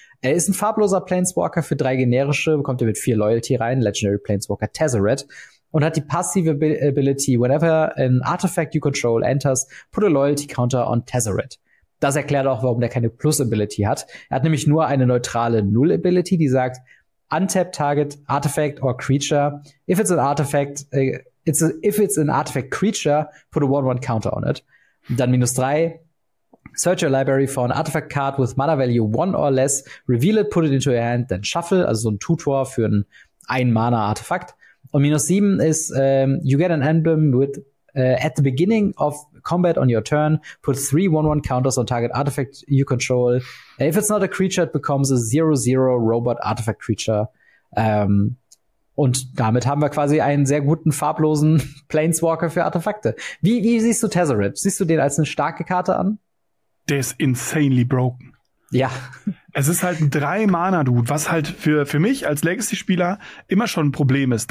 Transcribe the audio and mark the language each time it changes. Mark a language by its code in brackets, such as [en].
[de] Er ist ein farbloser Planeswalker für 3 generische, bekommt er mit 4 Loyalty rein, Legendary Planeswalker Tezzeret, und hat die passive Ability, [en] whenever an artifact you control enters, put a Loyalty Counter on Tezzeret. [de] Das erklärt auch, warum der keine Plus-Ability hat. Er hat nämlich nur eine neutrale Null-Ability, die sagt, [en] untap target, artifact or creature. If it's an artifact creature, put a 1/1 counter on it. [de] Dann -3. [en] Search your library for an artifact card with mana value 1 or less. Reveal it, put it into your hand, then shuffle. [de] Also so ein Tutor für ein Mana-Artefakt. Und -7 ist, [en] you get an emblem with at the beginning of combat on your turn, put 3 1/1 counters on target artifact you control. If it's not a creature, it becomes a 0/0 robot artifact creature. [de] Und damit haben wir quasi einen sehr guten farblosen Planeswalker für Artefakte. Wie siehst du Tezzeret? Siehst du den als eine starke Karte an? Der ist [en] insanely broken. [de] Ja. Es ist halt ein 3-Mana-Dude, was halt für mich als Legacy-Spieler immer schon ein Problem ist.